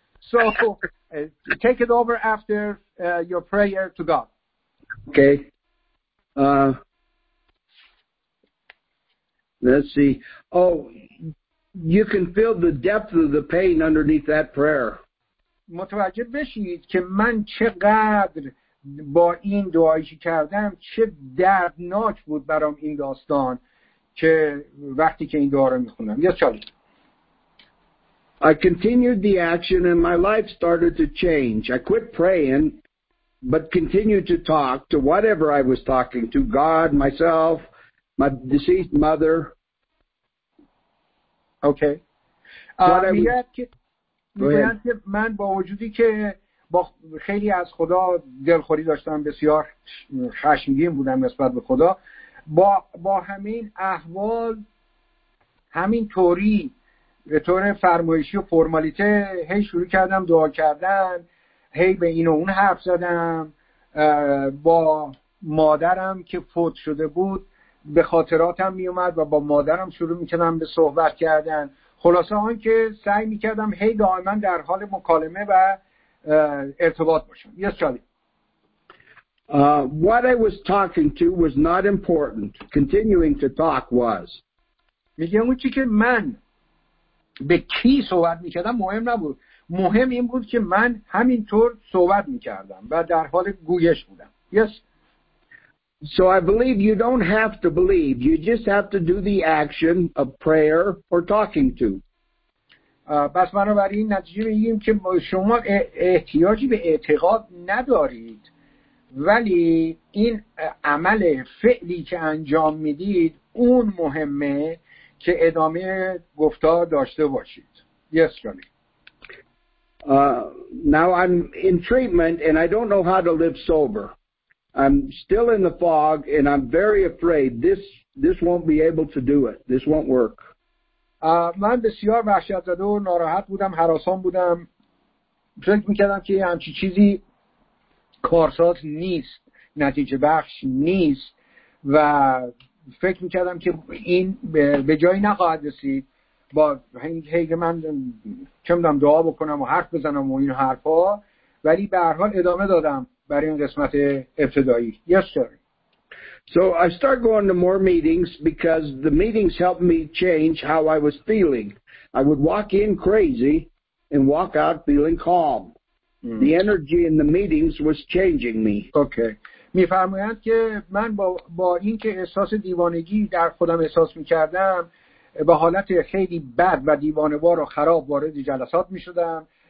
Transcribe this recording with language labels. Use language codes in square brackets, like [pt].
[en] So take it over after your prayer to God. Okay. Let's see. Oh, you can feel the depth of the pain underneath that prayer. [fa] متوجه بشید که من چقدر با این دعایی کردم، چه دردناک بود برام این داستان که وقتی که این دعا رو میخونم. [en] یا Charlie. I continued the action and my life started to change. I quit praying but continued to talk to whatever I was talking to, God, myself, my deceased mother. Okay. [fa] میگویند که من با وجودی که با خیلی از خدا دلخوری داشتم، بسیار خشمگین بودم نسبت به خدا، با همین احوال همین طوری به طور فرمایشی و فرمالیته هی شروع کردم دعا کردن، هی به این و اون حرف زدم. با مادرم که فوت شده بود به خاطراتم می اومد و با مادرم شروع میکردم به صحبت کردن. خلاصه اون که سعی میکردم هی دائما در حال مکالمه و ارتباط باشم. [en] Yes Charlie. What I was talking to was not important. Continuing to talk was. [fa] میگم اون چی که من به کی صحبت میکردم مهم نبود. مهم این بود که من همینطور صحبت میکردم و در حال گویش بودم. [en] Yes. So I believe you don't have to believe. You just have to do the action of prayer or talking to. [fa] بس بنابراین نتیجه بگیم که شما احتیاجی به اعتقاد ندارید، ولی این عمل فعلی که انجام میدید اون مهمه که ادامه گفتار داشته باشید. [en] Yes, Johnny. Now I'm in treatment and I don't know how to live sober. I'm still in the fog and I'm very afraid this won't be able to do it. This won't work. [fa] من بسیار وحشت زده و ناراحت بودم، هراسان بودم. فکر می‌کردم که همچی چیزی کارساز نیست، نتیجه بخش نیست و فکر می‌کردم که این به جایی نخواهد رسید. با هی من چه می‌دونم دعا بکنم و حرف بزنم و این حرفا، ولی به هر حال ادامه دادم برای این قسمت ابتدایی. [en] Yes, sir. So I start going to more meetings because the meetings helped me change how I was feeling. I would walk in crazy and walk out feeling calm. The energy in the meetings was changing me. Okay. [fa] می فرمایند که من با اینکه احساس دیوانگی در خودم احساس می‌کردم، به حالت خیلی بد و دیوانه‌وار و خراب وارد جلسات می‌شدم.